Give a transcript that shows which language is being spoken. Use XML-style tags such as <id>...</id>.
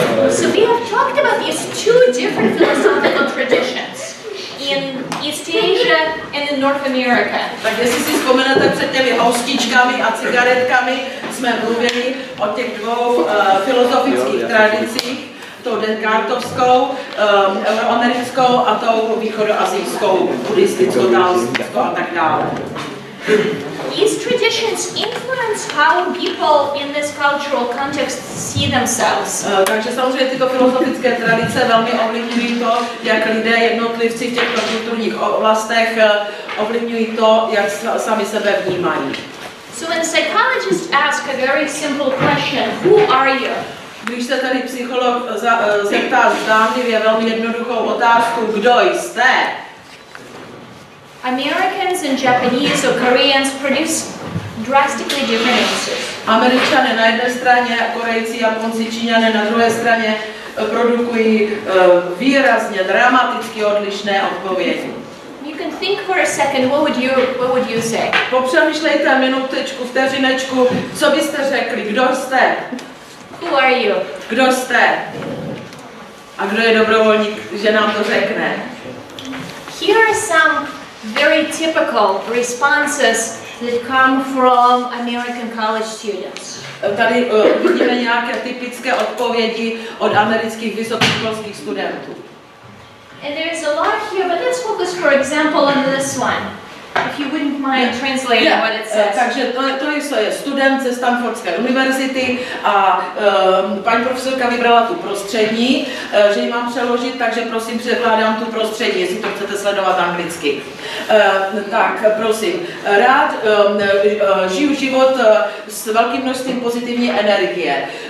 <en>So we have talked about these two different philosophical traditions. In East Asia and in North America.</en> <cs>Tak jestli si vzpomenete před těmi hostičkami a cigaretkami, jsme mluvili o těch dvou filozofických tradicích, tou Descartovskou, euroamerickou a tou východoasijskou, buddhistickou, taoistickou a tak dále.</cs> <en>These traditions influence how people in this cultural context see themselves.</en> <cs>Takže samozřejmě tyto filozofické tradice velmi ovlivňují to, jak lidé jednotlivci v těchto kulturních oblastech ovlivňují to, jak sami sebe vnímají.</cs> <en>So when psychologists ask a very simple question, who are you?</en> <cs>Když se tady psycholog zeptá zdánlivě velmi jednoduchou otázku, kdo jste?</cs> <en>Americans and Japanese or Koreans produce drastically different answers.</en> <cs>Američané na jedné straně, Korejci, Japonci, Číňané na druhé straně produkují výrazně dramaticky odlišné odpovědi.</cs> <en>You can think for a second, what would you say?</en> <cs>Popřemýšlejte minutečku, vteřinečku, co byste řekli, kdo jste?</cs> <en>Who are you?</en> <cs>Kdo jste? A kdo je dobrovolník, že nám to řekne?</cs> <en>Here are some very typical responses that come from American college students.</en> <cs>Tady vidíme nějaké typické odpovědi od amerických vysokoškolských studentů.</cs> <en>And there is a lot here, but let's focus, for example, on this one. If you wouldn't mind translating what it says.</en> <cs>Takže to je student ze Stanfordské univerzity a paní profesorka vybrala tu prostřední, že ji mám přeložit, takže prosím překládám tu prostřední, jestli to chcete sledovat anglicky. Tak prosím, rád žiju život s velkým množstvím pozitivní energie.</cs>